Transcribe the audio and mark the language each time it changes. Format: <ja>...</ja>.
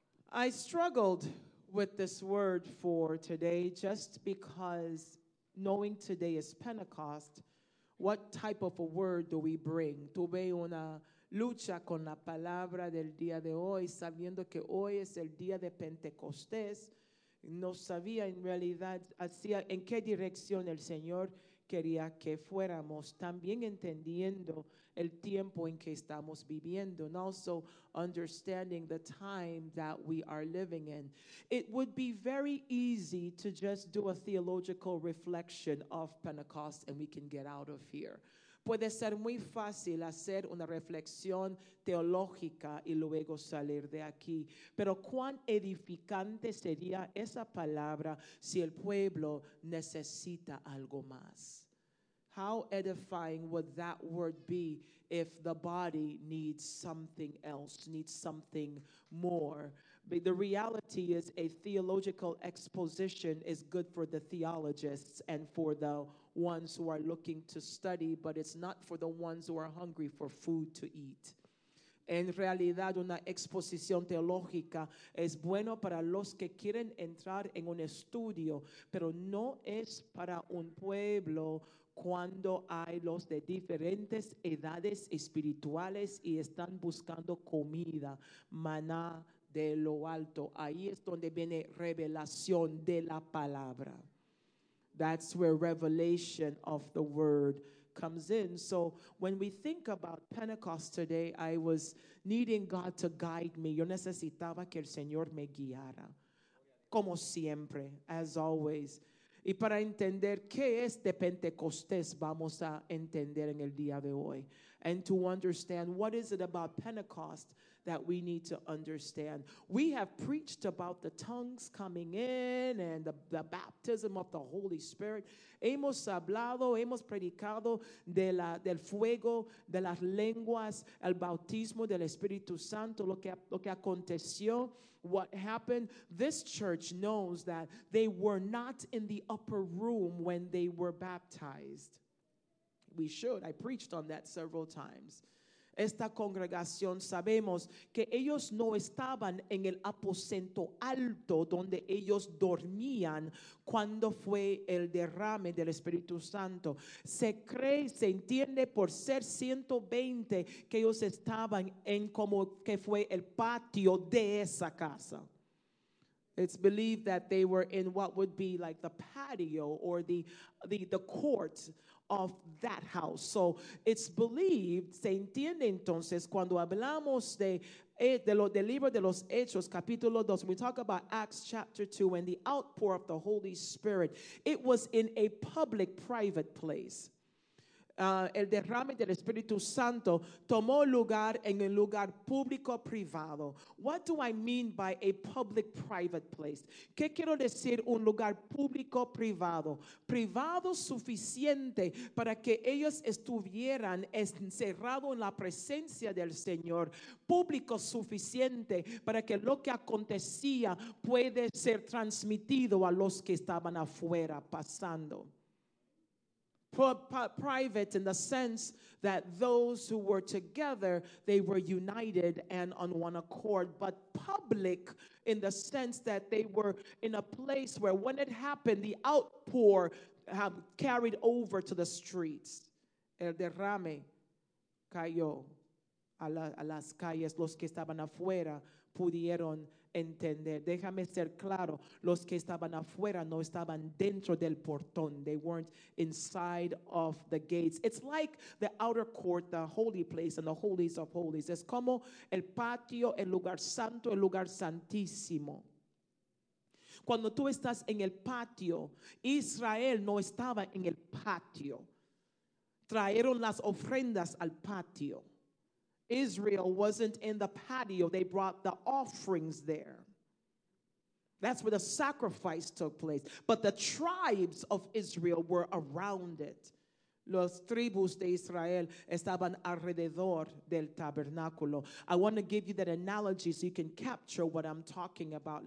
<en>I struggled with this word for today just because knowing today is Pentecost, what type of a word do we bring?</en> <es>Tuve una lucha con la palabra del día de hoy, sabiendo que hoy es el día de Pentecostés. No sabía en realidad hacia en qué dirección el Señor quería que fuéramos, también entendiendo el tiempo en que estamos viviendo,</es> <en>and also understanding the time that we are living in. It would be very easy to just do a theological reflection of Pentecost and we can get out of here.</en> <es>Puede ser muy fácil hacer una reflexión teológica y luego salir de aquí. Pero cuán edificante sería esa palabra si el pueblo necesita algo más.</es> <en>How edifying would that word be if the body needs something else, needs something more? But the reality is a theological exposition is good for the theologists and for the ones who are looking to study, but it's not for the ones who are hungry for food to eat.</en> <es>En realidad, una exposición teológica es bueno para los que quieren entrar en un estudio, pero no es para un pueblo cuando hay los de diferentes edades espirituales y están buscando comida, maná de lo alto. Ahí es donde viene revelación de la palabra.</es> <en>That's where revelation of the word comes in. So when we think about Pentecost today, I was needing God to guide me.</en> <es>Yo necesitaba que el Señor me guiara, como siempre,</es> <en>as always.</en> <es>Y para entender qué es de Pentecostés, vamos a entender en el día de hoy. And to understand what is it about Pentecost that we need to understand.</es> <en>We have preached about the tongues coming in and the baptism of the Holy Spirit.</en> <es>Hemos hablado, hemos predicado del fuego, de las lenguas, el bautismo del Espíritu Santo, lo que aconteció,</es> <en>what happened. This church knows that they were not in the upper room when they were baptized. We should. I preached on that several times.</en> <es>Esta congregación sabemos que ellos no estaban en el aposento alto donde ellos dormían cuando fue el derrame del Espíritu Santo. Se cree, se entiende por ser 120 que ellos estaban en como que fue el patio de esa casa.</es> <en>It's believed that they were in what would be like the patio or the court of that house. So it's believed,</en> <es>se entiende entonces, cuando hablamos del libro de los Hechos, capítulo 2,</es> <en>we talk about Acts chapter 2 and the outpour of the Holy Spirit, it was in a public, private place.</en> <es>El derrame del Espíritu Santo tomó lugar en un lugar público privado.</es> <en>What do I mean by a public private place?</en> <es>¿Qué quiero decir un lugar público privado? Privado suficiente para que ellos estuvieran encerrados en la presencia del Señor. Público suficiente para que lo que acontecía puede ser transmitido a los que estaban afuera pasando.</es> <en>Private in the sense that those who were together, they were united and on one accord, but public in the sense that they were in a place where when it happened, the outpour carried over to the streets.</en> <es>El derrame cayó a las calles. Los que estaban afuera pudieron entender. Déjame ser claro, los que estaban afuera no estaban dentro del portón.</es> <en>They weren't inside of the gates. It's like the outer court, the holy place and the holies of holies.</en> <es>Es como el patio, el lugar santo, el lugar santísimo. Cuando tú estás en el patio, Israel no estaba en el patio. Trajeron las ofrendas al patio.</es> <en>Israel wasn't in the patio. They brought the offerings there. That's where the sacrifice took place. But the tribes of Israel were around it.</en> <es>Los tribus de Israel estaban alrededor del tabernáculo.</es> <en>I want to give you that analogy so you can capture what I'm talking about.</en>